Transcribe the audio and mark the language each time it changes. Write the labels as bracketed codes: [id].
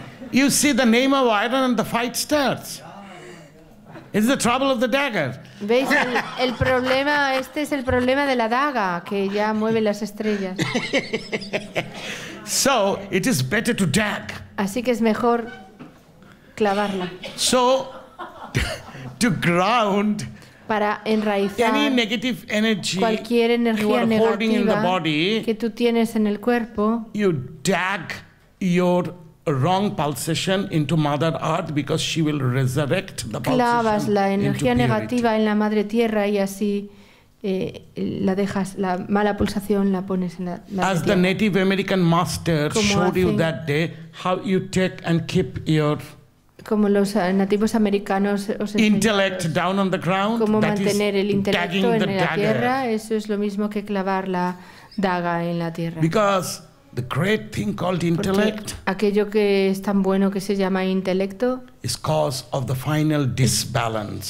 [en] You see the name of iron and the fight starts. It's the trouble of the dagger. [es] ¿Veis? El problema, este es el problema de la daga, que ya mueve las estrellas. [en] So, it is better to dag. [es] Así que es mejor clavarla. [en] So, to ground [es] para enraizar [en] any negative energy [es] cualquier energía [en] you are [es] negativa [en] holding in the body, [es] que tú tienes en el cuerpo, [en] you dag your wrong pulsation into Mother Earth because she will resurrect the pulsation. [es] Clavas la energía negativa en la Madre Tierra y así la dejas, la mala pulsación la pones en la Madre Tierra. [en] As the Native American master showed you that day, how you take and keep your [es] como los nativos americanos os [en] intellect down on the ground, [es] cómo mantener el intelecto en la tierra, eso es lo mismo que clavar la daga en la tierra. [en] Because the great thing called intellect, [es] porque aquello que es tan bueno que se llama intelecto, [en] is cause of the final disbalance.